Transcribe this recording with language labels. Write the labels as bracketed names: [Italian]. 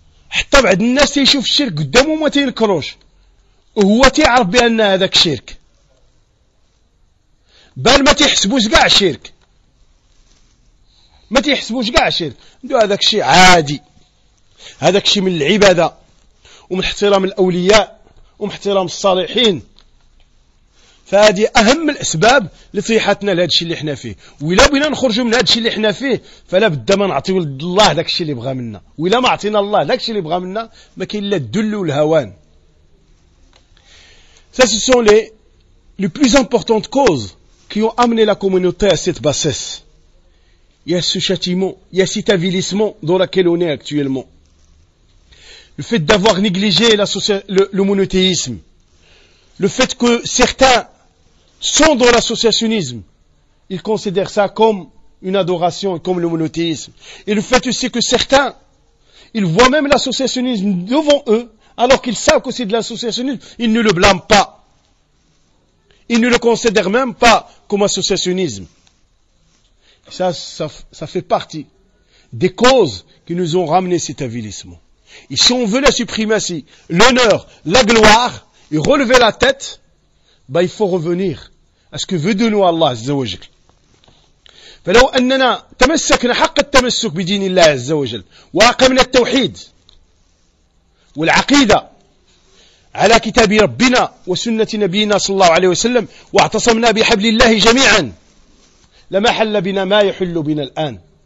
[Arabic] حتى بعض الناس تيشوف الشرك قدامه وما تينكروش، وهو تيعرف بان هذاك شرك، بل ما تيحسبوش كاع شرك، ما تيحسبوش كاع شرك، عنده هذاك شيء عادي، هذاك شيء من العباده ومن احترام الاولياء ومن احترام الصالحين. فهذه اهم الاسباب لطيحتنا لهذا الشيء اللي احنا فيه. ولا بغينا نخرجوا من هذا الشيء اللي احنا فيه، فلا بد ما نعطيو لله داك الشيء اللي بغى منا. ولا ما عطينا الله داك الشيء اللي بغى منا، ما كاين الا الدل والهوان. [French] Ça, ce sont les plus importantes causes qui ont amené la communauté à cette bassesse. Il y a ce châtiment, il y a cet avilissement dans lequel on est actuellement. Le fait d'avoir négligé le monothéisme, le fait que certains sont dans l'associationnisme, ils considèrent ça comme une adoration, comme le monothéisme. Et le fait aussi que certains, ils voient même l'associationnisme devant eux, alors qu'ils savent que c'est de l'associationnisme, ils ne le blâment pas. Ils ne le considèrent même pas comme associationnisme. Ça fait partie des causes qui nous ont ramené cet avilissement. Et si on veut la suprématie, l'honneur, la gloire, et relever la tête, bah, il faut revenir à ce que veut de nous Allah Azza wa Jal. [Arabic] فلو أننا تمسكنا حق التمسك بدين الله عز وجل وأقمنا التوحيد والعقيدة على كتاب ربنا وسنة نبينا صلى الله عليه وسلم واعتصمنا بحبل الله جميعا لما حل بنا ما يحل بنا الآن.